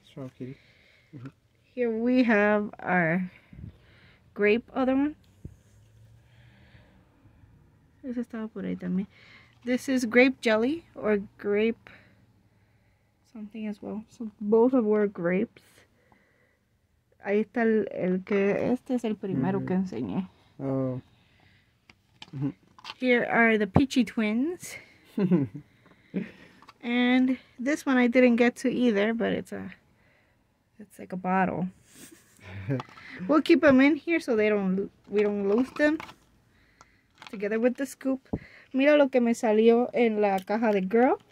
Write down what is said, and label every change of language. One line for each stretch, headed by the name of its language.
English: Straw Kitty. Here we have our grape other one.
Spanish: Ese estaba por ahí también.
English: This is grape jelly or grape something as well. So both of were grapes.
Spanish: Ahí está el que este es el primero que enseñé.
English: Oh. Here are the peachy twins. And this one I didn't get to either, but it's like a bottle. We'll keep them in here so we don't lose them. Together with the scoop.
Spanish: Mira lo que me salió en la caja de girl.